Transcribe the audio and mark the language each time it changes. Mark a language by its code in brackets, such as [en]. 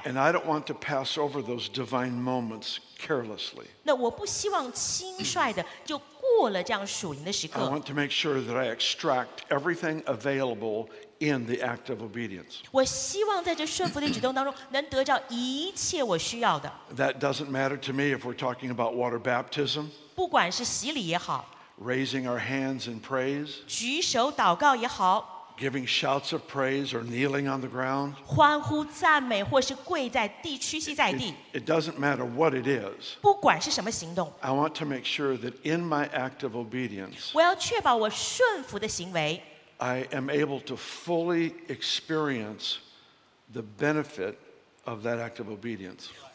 [en] And I don't want to pass over those divine moments carelessly. [zh] 那我不希望轻率地就 [en] I want to make sure that I extract everything available in the act of obedience. [zh] 我希望在这顺服的举动当中能得到一切我需要的。 [en] That doesn't matter to me if we're talking about water baptism. [zh] 不管是洗礼也好。 [en] Raising our hands in praise. [zh] 举手祷告也好。 [en] Giving shouts of praise or kneeling on the ground. [zh] 欢呼赞美或是跪在地屈膝在地。 [en] It doesn't matter what it is. [zh] 不管是什么行动。 [en] I want to make sure that in my act of obedience, [zh] 我要确保我顺服的行为, [en] I am able to fully experience the benefit of that act of obedience.